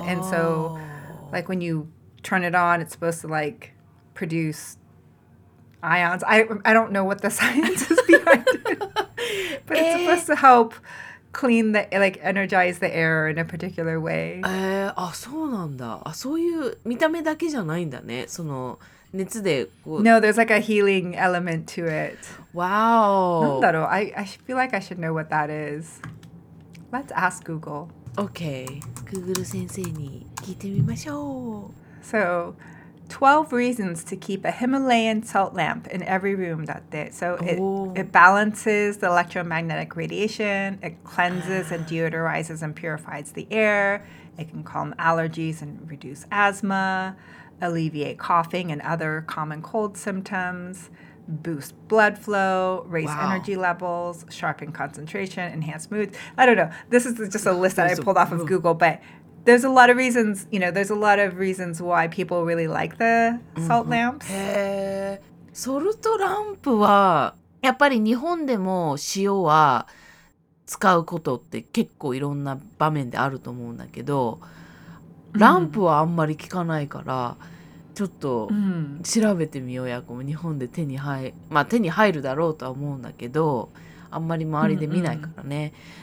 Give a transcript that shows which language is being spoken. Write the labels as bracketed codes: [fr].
[en] And so when you turn it on, it's supposed to produce ions. I don't know what the science is behind it. But it's supposed to help clean the energize the air in a particular way. [ja] そうなんだ。そういう見た目だけじゃないんだね。その熱でこう。 [en] No, there's a healing element to it. Wow. [ja] なんだろう? [en] I feel like I should know what that is. Let's ask Google. [ja] Okay. Google 先生に聞いてみましょう。 [en] So, 12 reasons to keep a Himalayan salt lamp in every room [ja] だって。 [en] So, it balances the electromagnetic radiation. It cleanses and deodorizes and purifies the air. It can calm allergies and reduce asthma. Alleviate coughing and other common cold symptoms, boost blood flow, raise energy levels, sharpen concentration, enhance mood. I don't know. This is just a list that I pulled off of Google, but there's a lot of reasons, you know, there's a lot of reasons why people really like the salt lamps. [ja] へー、ソルトランプはやっぱり日本でも塩は使うことって結構いろんな場面であると思うんだけど、ランプはあんまり聞かないから、ちょっと調べてみようや、日本で手に入、まあ手に入るだろうとは思うんだけど、あんまり周りで見ないからね。